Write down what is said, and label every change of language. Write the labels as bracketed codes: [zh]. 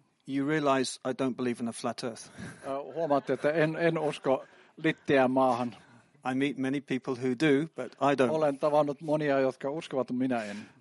[en] You realize I don't believe in a flat earth. [fi] Huomaatte, että en usko litteään maahan. [en] I meet many people who do, but I don't. [fi] Olen tavannut monia, jotka uskovat, minä en.